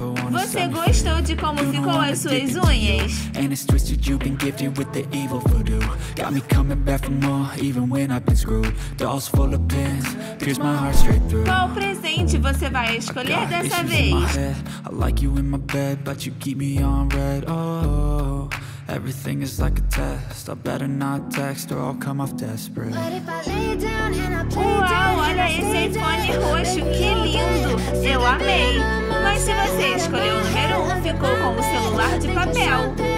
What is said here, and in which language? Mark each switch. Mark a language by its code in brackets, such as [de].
[pt] Você gostou de como ficou as suas unhas? [en] And it's twisted, you've been gifted with the evil voodoo. Got me coming back for more, even when I've been screwed. Dolls full of pins, pierce my heart straight through. [pt] Qual presente você vai escolher dessa vez? [en] I like you in my bed, but you keep me on red. Oh, everything is like a test. I better not text or I'll come off desperate. [pt] Uau, olha esse iPhone roxo, que lindo! Eu amei! Mas se você escolheu o número 1, ficou com o celular de papel.